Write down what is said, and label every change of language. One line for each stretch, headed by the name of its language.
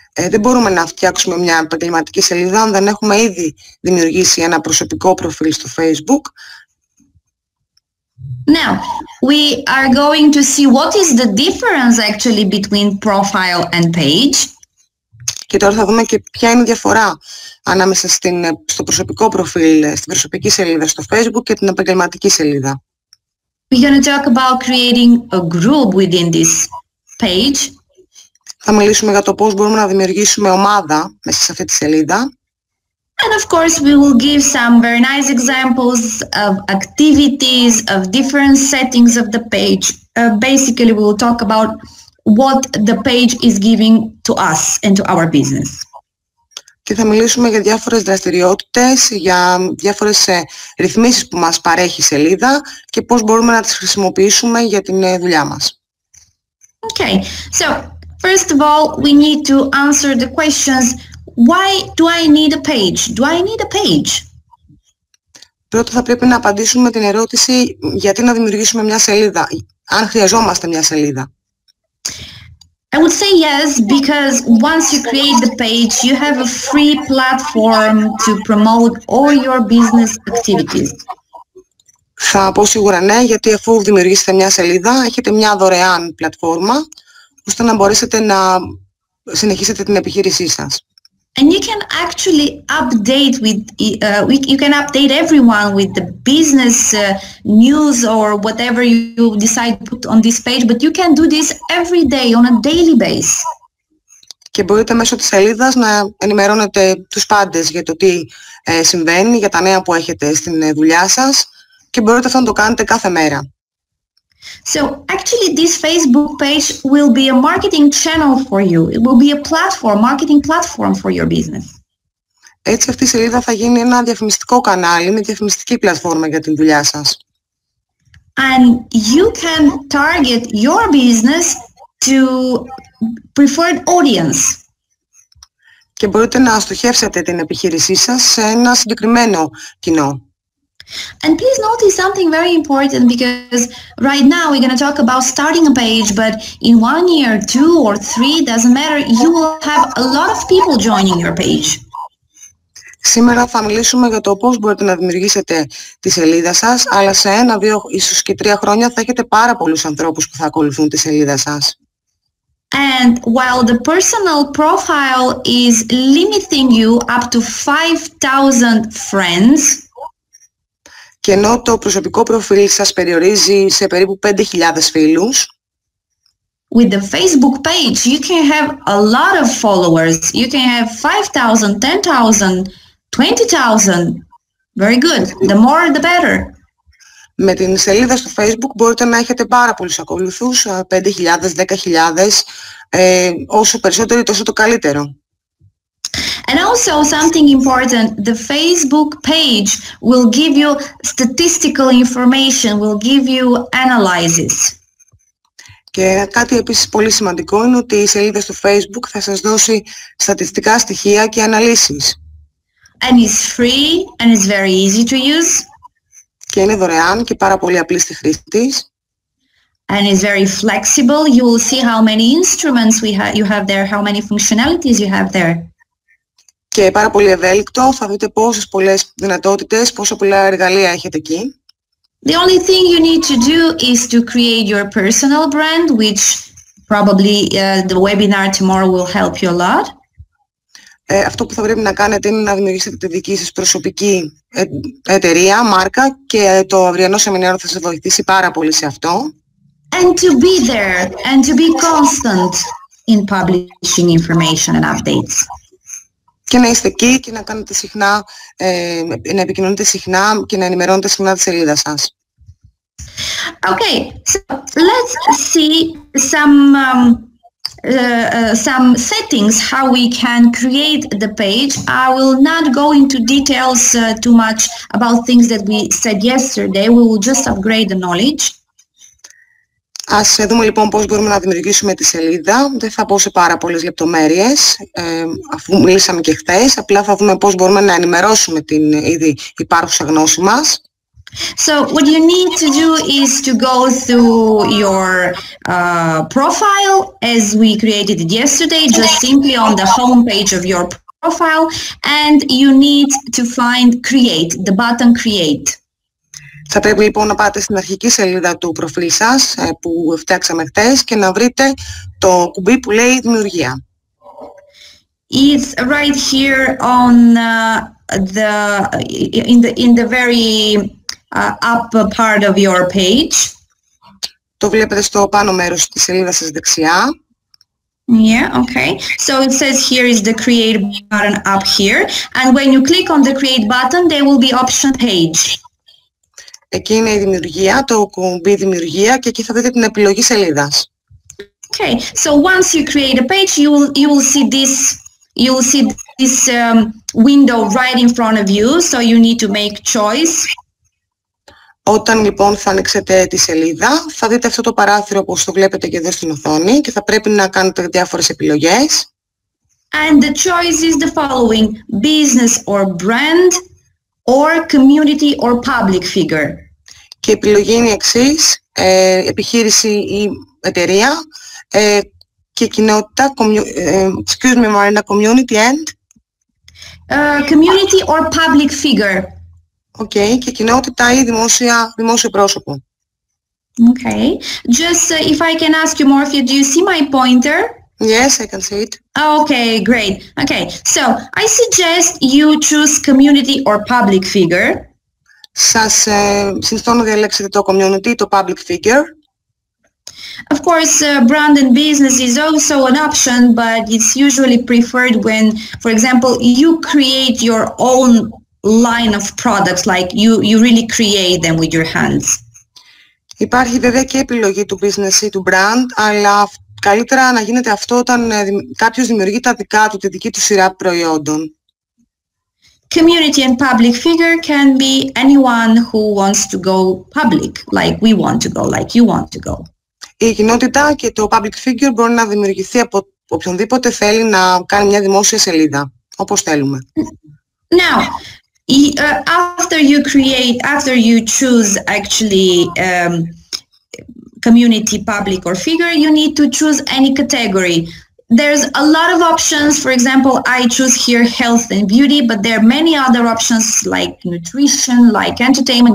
Greek: Δεν μπορούμε να φτιάξουμε μια επαγγελματική σελίδα αν δεν έχουμε ήδη δημιουργήσει ένα προσωπικό προφίλ στο Facebook.
English: Now, we are going to see what is the difference actually between profile and page.
Greek: Και τώρα θα δούμε και ποια είναι η διαφορά ανάμεσα στο προσωπικό προφίλ, στην προσωπική σελίδα στο Facebook και την επαγγελματική σελίδα.
English: We're going to talk about creating a group within this page.
Greek: Θα μιλήσουμε για το πώς μπορούμε να δημιουργήσουμε ομάδα μέσα σε αυτή τη σελίδα.
English: And of course we will give some very nice examples of activities, of different settings of the page. Basically we will talk about what the page is giving to us and to our business.
Greek: Και θα μιλήσουμε για διάφορες δραστηριότητες, για διάφορες ρυθμίσεις που μας παρέχει η σελίδα και πώς μπορούμε να τις χρησιμοποιήσουμε για την δουλειά μας.
English: Okay. So, first of all, we need to answer the questions, why do I need a page? Do I need a page?
Greek: Πρώτα θα πρέπει να απαντήσουμε την ερώτηση γιατί να δημιουργήσουμε μια σελίδα, αν χρειαζόμαστε μια σελίδα.
English: I would say yes, because once you create the page, you have a free platform to promote all your business activities.
Greek: Θα πω σίγουρα ναι, γιατί αφού δημιουργήσετε μια σελίδα, έχετε μια δωρεάν πλατφόρμα, ώστε να μπορέσετε να συνεχίσετε την επιχείρησή σας.
English: And you can actually update with you can update everyone with the business news or whatever you decide to put on this page, but you can do this every day on a daily basis.
Greek: Και μπορείτε μέσω της σελίδας να ενημερώνετε τους πάντες για το τι συμβαίνει, για τα νέα που έχετε στην δουλειά σας και μπορείτε αυτό να το κάνετε κάθε μέρα.
English: So actually this Facebook page will be a marketing channel for you. It will be a platform, marketing platform for your business.
Greek: Έτσι αυτή η σελίδα θα γίνει ένα διαφημιστικό κανάλι, μια διαφημιστική πλατφόρμα για την δουλειά σας.
English: And you can target your business to preferred audience.
Greek: Και μπορείτε να στοχεύσετε την επιχείρησή σας σε ένα συγκεκριμένο κοινό.
English: And please notice something very important because right now we're going to talk about starting a page, but in 1 year, 2 or 3, doesn't matter, you will have a lot of people joining your page.
Greek: Σήμερα θα μιλήσουμε για το πώς μπορείτε να δημιουργήσετε τη σελίδα σας, αλλά σε 1, 2, ίσως και 3 χρόνια θα έχετε πάρα πολλούς ανθρώπους που θα ακολουθούν τη σελίδα σας.
English: And while the personal profile is limiting you up to 5,000 friends,
Greek: και ενώ το προσωπικό προφίλ σας περιορίζει σε περίπου 5.000 φίλους.
English: With the Facebook page, you can have a lot of followers. You can have 5,000, 10,000, 20,000. Very good. The more, the better.
Greek: Με την σελίδα στο Facebook μπορείτε να έχετε πάρα πολλούς ακολουθούς, 5.000, 10.000. Όσο περισσότερο, τόσο το καλύτερο.
English: And also something important, the Facebook page will give you statistical information, will give you analysis.
Greek: Και κάτι επίσης πολύ σημαντικό είναι ότι η σελίδα στο Facebook θα σας δώσει στατιστικά στοιχεία και αναλύσεις.
English: And it's free and it's very easy to use.
Greek: Και είναι δωρεάν και πάρα πολύ απλή στη χρήση της.
English: and is very flexible, you will see how many instruments we have, you have there, how many functionalities you have there.
Greek: Και πάρα πολύ ευέλικτο, θα δείτε πόσες πολλές δυνατότητες, πόσο πολλά εργαλεία έχετε εκεί.
English: The only thing you need to do is to create your personal brand, which probably the webinar tomorrow will help you a lot.
Greek: Αυτό που θα πρέπει να κάνετε είναι να δημιουργήσετε τη δική σας προσωπική εταιρεία, μάρκα, και το αυριανό σεμινάριο θα σας βοηθήσει πάρα πολύ σε αυτό.
English: And to be there and to be constant in publishing information and updates.
Greek: Και να είστε εκεί και να κάνετε συχνά, να επικοινωνείτε συχνά και να ενημερώνετε συχνά τη σελίδα σας.
English: Okay, so let's see some settings how we can create the page. I will not go into details too much about things that we said yesterday. We will just upgrade the knowledge.
Greek: Ας δούμε λοιπόν πώς μπορούμε να δημιουργήσουμε τη σελίδα. Δεν θα πω σε πάρα πολλές λεπτομέρειες, αφού μιλήσαμε και χθες. Απλά θα δούμε πώς μπορούμε να ενημερώσουμε την ήδη υπάρχουσα γνώση μας.
English: So what you need to do is to go through your profile as we created it yesterday, just simply on the home page of your profile, and you need to find create, the button create.
Greek: Θα πρέπει λοιπόν να πάτε στην αρχική σελίδα του προφίλ σας που φτιάξαμε χθες και να βρείτε το κουμπί που λέει δημιουργία.
English: It's right here on the in the very up part of your page.
Greek: Το βλέπετε στο πάνω μέρος της σελίδας σας δεξιά.
English: Yeah, okay. So it says here is the create button up here, and when you click on the create button, there will be option page.
Greek: Εκεί είναι η δημιουργία, το κουμπί δημιουργία, και εκεί θα δείτε την επιλογή σελίδας.
English: Okay, so once you create a page, you will see this, window right in front of you, so you need to make choice.
Greek: Όταν λοιπόν θα ανοίξετε τη σελίδα, θα δείτε αυτό το παράθυρο όπως το βλέπετε και εδώ στην οθόνη και θα πρέπει να κάνετε διάφορες επιλογές.
English: And the choice is the following, business or brand, or community or public figure.
Greek: Και η επιλογή είναι η εξής, επιχείρηση ή εταιρεία, και κοινότητα,
English: excuse me Marina, community and? Community or public figure.
Greek: Okay, και κοινότητα ή δημόσιο πρόσωπο.
English: Okay, just if I can ask you, Morphia, do you see my pointer? Yes, I can see it. Okay, great. Okay, so I suggest you choose community or public figure.
Greek: Σας συμφωνώ να διαλέξετε το community, το public figure.
English: Of course, brand and business is also an option, but it's usually preferred when, for example, you create your own line of products, like you really create them with your hands.
Greek: Υπάρχει βέβαια και επιλογή του business ή του brand, αλλά καλύτερα να γίνεται αυτό όταν κάποιος δημιουργεί τα δικά του, τη δική του σειρά προϊόντων.
English: Community and public figure can be anyone who wants to go public, like we want to go, like you want to go.
Greek: Η κοινότητα και το public figure μπορεί να δημιουργηθεί από οποιονδήποτε θέλει να κάνει μια δημόσια σελίδα, όπως θέλουμε.
English: Now, after you create, after you choose actually community, public or figure, you need to choose any category. There's a lot of options. For example, I choose here health and beauty, but there are many other options like nutrition, like entertainment.